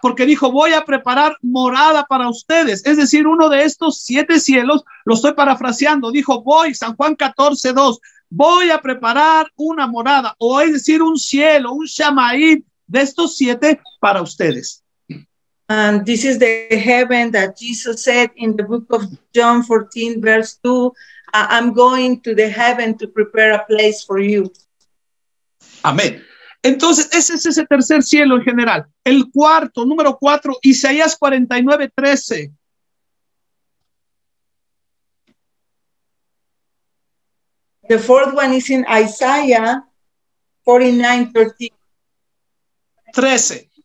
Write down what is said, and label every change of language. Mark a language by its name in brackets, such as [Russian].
[Spanish] Porque dijo, voy a preparar morada para ustedes. Es decir, uno de estos siete cielos, lo estoy parafraseando, dijo, voy, San Juan 14:2. Voy a preparar una morada, o es decir, un cielo, un shamayim de estos siete para ustedes. [English] And this is the heaven that Jesus said in the book of John 14, verse 2, I'm going to the heaven to prepare a place for you. [Spanish] Amén. Entonces, ese es ese tercer cielo en general. El cuarto, número cuatro, Isaías 49:13. [English] The fourth one is in Isaiah 49:13.